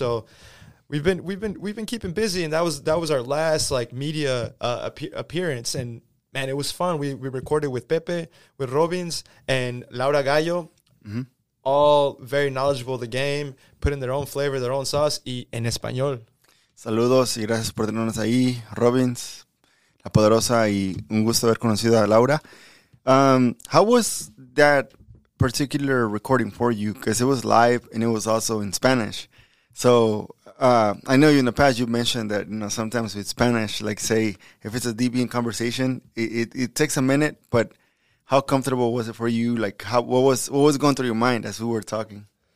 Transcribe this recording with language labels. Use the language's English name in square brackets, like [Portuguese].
[English] So we've been keeping busy, and that was our last, like, media appearance. And man, it was fun. We recorded with Pepe, with Robbins, and Laura Gallo, mm-hmm. all very knowledgeable of the game, putting their own flavor, their own sauce, [Spanish] y en español. Saludos y gracias por tenernos ahí, Robbins, La Poderosa, y un gusto haber conocido a Laura. [English] How was that particular recording for you? Because it was live and it was also in Spanish. So I know in the past you mentioned that, you know, sometimes with Spanish, like say if it's a DBN conversation, it takes a minute. But how comfortable was it for you? Like, what was going through your mind as we were talking?